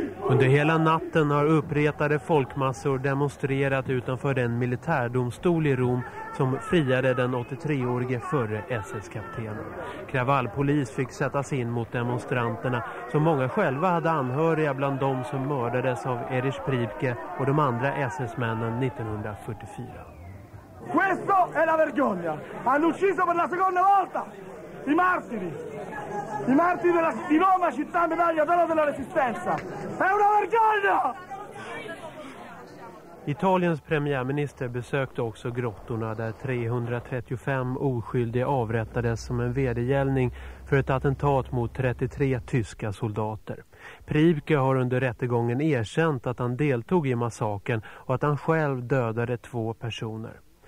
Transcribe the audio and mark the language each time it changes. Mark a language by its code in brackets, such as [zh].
[sv] Under hela natten har upprepade folkmassor demonstrerat utanför den militärdomstol i Rom som friade den 83-årige förre SS-kaptenen. Kravallpolis fick sättas in mot demonstranterna, som många själva hade anhöriga bland de som mördades av Erich Priebke och de andra SS-männen 1944. [it] Questo è la vergogna. Hanno ucciso per la seconda volta i martiri. I martiri della di Roma, città medaglia d'oro della resistenza. È una vergogna! [sv] Italiens premiärminister besökte också grottorna där 335 oskyldiga avrättades som en vedergällning för ett attentat mot 33 tyska soldater. Priebke har under rättegången erkänt att han deltog i massaken och att han själv dödade två personer.